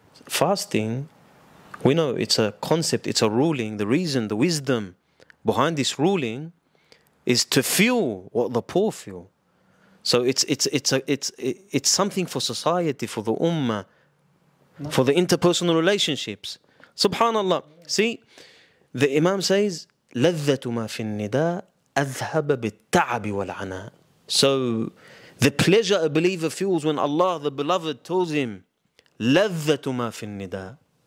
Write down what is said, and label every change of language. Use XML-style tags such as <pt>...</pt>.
<en>Fasting, we know it's a concept, it's a ruling. The reason, the wisdom behind this ruling is to feel what the poor feel. So it's something for society, for the ummah, for the interpersonal relationships. SubhanAllah. See, the Imam says,</en> <ar>لَذَّةُ مَا فِي النِّدَاءِ أَذْهَبَ بِالتَّعَبِ وَالْعَنَاءِ.</ar> <en>So the pleasure a believer feels when Allah, the Beloved, tells him,</en> <ar>لَذَّةُ مَا فِي النِّدَاءِ.</ar>